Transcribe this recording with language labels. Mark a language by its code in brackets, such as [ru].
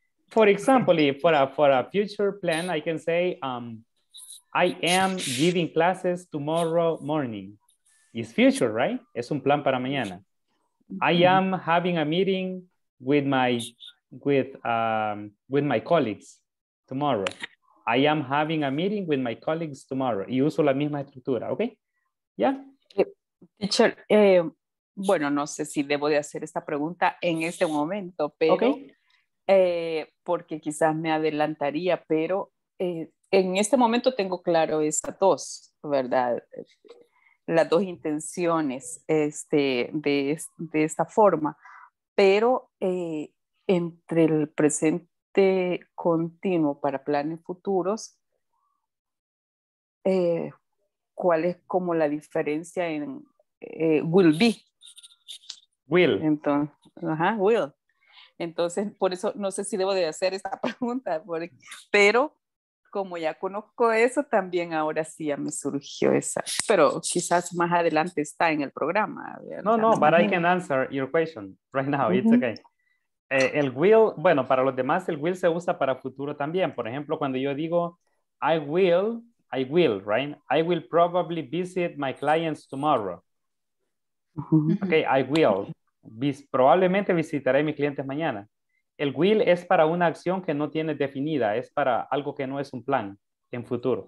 [en] For example, for a future plan, I can say, I am giving classes tomorrow morning. It's future, right? [es] Es un plan para mañana. [en] I am having a meeting with my colleagues tomorrow. I am having a meeting with my colleagues tomorrow. [es] Y uso la misma estructura, ¿ok? ¿Ya? Teacher, bueno, no sé si debo de hacer esta pregunta en este momento, pero... Okay. Porque quizás me adelantaría, pero en este momento tengo claro esas dos, ¿verdad? Las dos intenciones de esta forma. Pero entre el presente continuo para planes futuros, ¿cuál es como la diferencia en will be? [en] Will. [es] Entonces, ajá, will. Entonces, por eso no sé si debo de hacer esta pregunta, porque, pero como ya conozco eso, también ahora sí ya me surgió esa. Pero quizás más adelante está en el programa. [en] No, no, but I can answer your question right now. It's okay. [es] El will, bueno, para los demás, el will se usa para futuro también. Por ejemplo, cuando yo digo, [en] I will, right? I will probably visit my clients tomorrow. Okay, I will. [es] Probablemente visitaré mis clientes mañana. El will es para una acción que no tiene definida, es para algo que no es un plan en futuro.